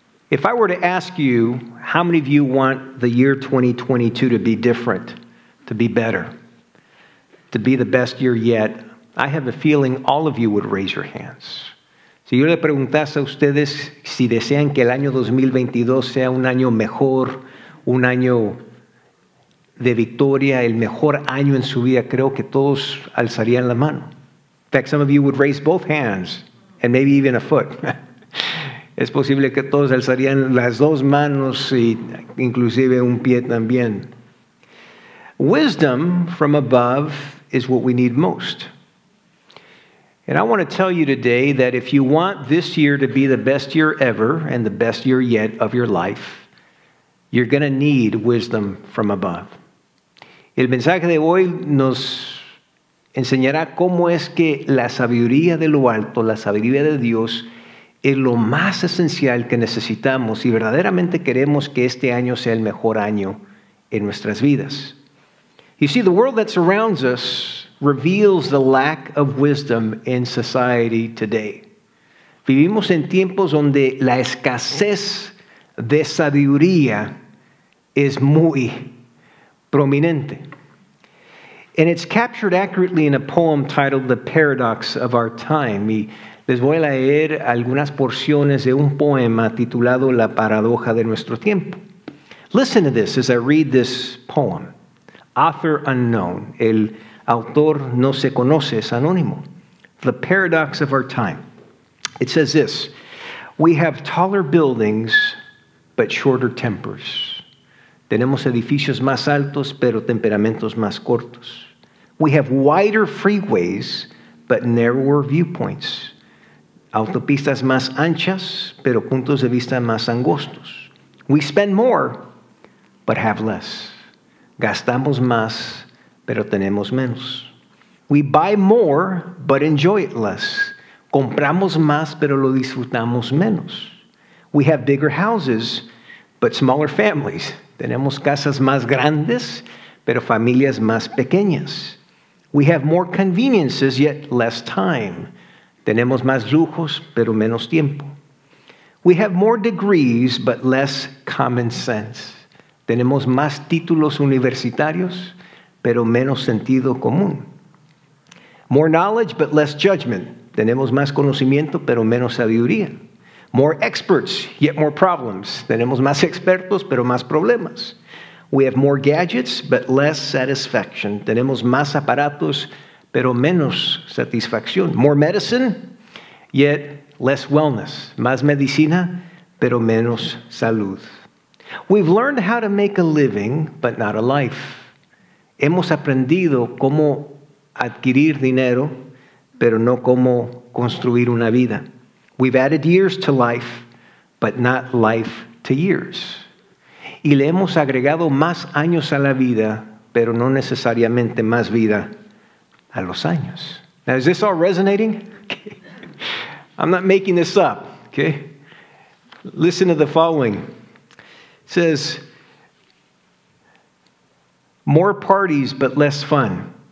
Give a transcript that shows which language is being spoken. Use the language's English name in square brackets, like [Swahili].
[English] If I were to ask you, how many of you want the year 2022 to be different, to be better, to be the best year yet, I have a feeling all of you would raise your hands. [Spanish] Si yo le preguntase a ustedes si desean que el año 2022 sea un año mejor, un año de victoria, el mejor año en su vida, creo que todos alzarían la mano. [English] In fact, some of you would raise both hands and maybe even a foot. [Spanish] Es posible que todos alzarían las dos manos y inclusive un pie también. [English] Wisdom from above is what we need most. And I want to tell you today that if you want this year to be the best year ever and the best year yet of your life, you're going to need wisdom from above. [Spanish] El mensaje de hoy nos enseñará cómo es que la sabiduría de lo alto, la sabiduría de Dios, es lo más esencial que necesitamos si verdaderamente queremos que este año sea el mejor año en nuestras vidas. [English] You see, the world that surrounds us reveals the lack of wisdom in society today. [Spanish] Vivimos en tiempos donde la escasez de sabiduría es muy prominente. [English] And it's captured accurately in a poem titled The Paradox of Our Time. [Spanish] Y les voy a leer algunas porciones de un poema titulado La Paradoja de Nuestro Tiempo. [English] Listen to this as I read this poem. Author unknown. [Spanish] El autor no se conoce, es anónimo. The Paradox of Our Time. [English] It says this: "We have taller buildings, but shorter tempers. [Spanish] Tenemos edificios más altos, pero temperamentos más cortos. [English] We have wider freeways, but narrower viewpoints. [Spanish] Autopistas más anchas, pero puntos de vista más angostos. [English] We spend more, but have less. [Spanish] Gastamos más, pero tenemos menos. [English] We buy more, but enjoy it less. [Spanish] Compramos más, pero lo disfrutamos menos. [English] We have bigger houses, but smaller families. [Spanish] Tenemos casas más grandes, pero familias más pequeñas. [English] We have more conveniences, yet less time. [Spanish] Tenemos más lujos, pero menos tiempo. [English] We have more degrees, but less common sense. [Spanish] Tenemos más títulos universitarios, pero menos sentido común. [English] More knowledge, but less judgment. [Spanish] Tenemos más conocimiento, pero menos sabiduría. [English] More experts, yet more problems. [Spanish] Tenemos más expertos, pero más problemas. [English] We have more gadgets, but less satisfaction. [Spanish] Tenemos más aparatos, pero menos satisfacción. [English] More medicine, yet less wellness. [Spanish] Más medicina, pero menos salud. [English] We've learned how to make a living, but not a life. [Spanish] Hemos aprendido cómo adquirir dinero, pero no cómo construir una vida. [English] We've added years to life, but not life to years. [Spanish] Y le hemos agregado más años a la vida, pero no necesariamente más vida a los años. [English] Now, is this all resonating? Okay. I'm not making this up, okay? Listen to the following. It says, more parties, but less fun.